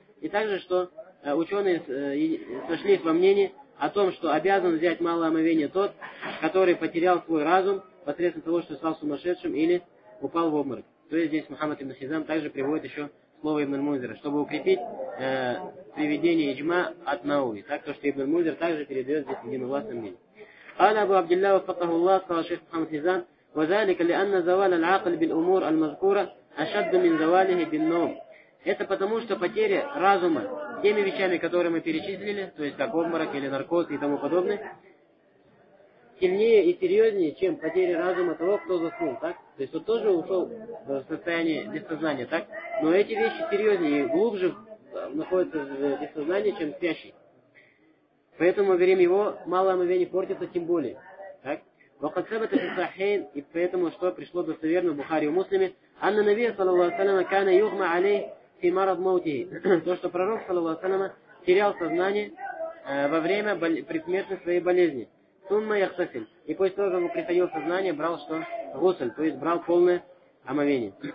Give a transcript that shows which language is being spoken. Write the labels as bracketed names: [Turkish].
[Russian] И также, что ученые сошлись во мнении о том, что обязан взять малое омовение тот, который потерял свой разум посредством того, что стал сумасшедшим или упал в обморок. То есть здесь Мухаммад ибн Хизам также приводит еще слово Ибн Аль-Мунзира, чтобы укрепить приведение иджма от науки. Так то, что Ибн Аль-Мунзир также передает здесь единогласное мнение. [Arabic] Аля Абу Абдилля, вафакаху Аллах, [Russian] сказал шейх Мухаммад Хизам, [Arabic] وذلك لأن زوال العقل بالأمور المذكورة أشد من زواله بالنوم. [Russian] Это потому, что потеря разума теми вещами, которые мы перечислили, то есть как обморок или наркоз и тому подобное, сильнее и серьезнее, чем потеря разума того, кто заснул, так? То есть он тоже ушел в состояние бессознания, так? Но эти вещи серьезнее и глубже находятся в бессознании, чем спящий. Поэтому мы говорим, его малое омовение портится тем более, так? [Arabic] وَقَدْسَبَتَ فِصَحْحَيْنِ [Russian] И поэтому, что пришло достоверно в Бухари и Муслиме, [Arabic] أن النبي صلى الله عليه وسلم كان يغمى عليه في مرض موته. [Russian] То, что пророк, صلى الله عليه وسلم, терял сознание во время предсмертной своей болезни. [Arabic] Сумма яхтасин. [Russian] И после того, как ему приходило сознание, брал что? Гусль. То есть брал полное омовение.